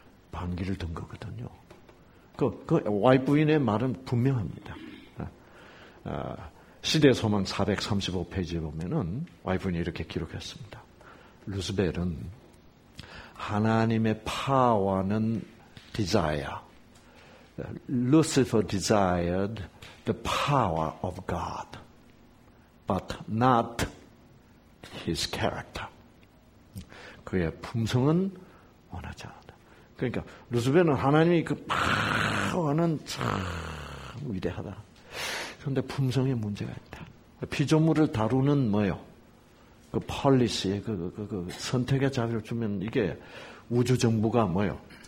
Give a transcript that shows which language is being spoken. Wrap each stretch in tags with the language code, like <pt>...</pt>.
<ko>반기를 든 거거든요. 그 와이프인의 말은 분명합니다. 시대소망 435페이지에 보면은 와이프인이 이렇게 기록했습니다. 루스벨은 하나님의 파워는 desire.</ko> <en>Lucifer desired the power of God, but not his character.</en> <ko>그의 품성은 원하지 않았다. 그러니까 루스벨은 하나님의 그 파워는 참 위대하다. 그런데 품성에 문제가 있다. 피조물을 다루는 뭐요? 그 policy의 그 선택의 자유를 주면 이게 우주 정부가 뭐요?</ko>